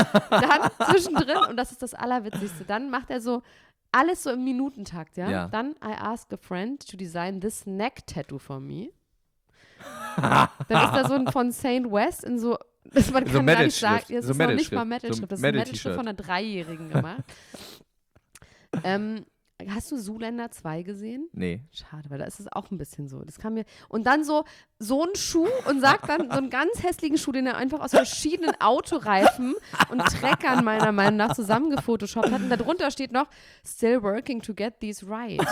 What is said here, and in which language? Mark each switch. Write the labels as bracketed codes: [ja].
[de] Dann zwischendrin, und das ist das Allerwitzigste, dann macht er so alles so im Minutentakt, ja? [en] Dann I ask a friend to design this neck tattoo for me. [de] Dann ist da so ein von Saint West in so, das man so kann gar nicht sagen, das so ist noch nicht mal Metal-Schrift, das ist ein Metal-Schrift von einer Dreijährigen gemacht. hast du Zoolander 2 gesehen? Nee. Schade, weil da ist es auch ein bisschen so. Das kam mir, und dann so ein Schuh und sagt dann so einen ganz hässlichen Schuh, den er einfach aus verschiedenen Autoreifen und Treckern meiner Meinung nach zusammengefotoshoppt hat. Und darunter steht noch, [en] still working to get these right.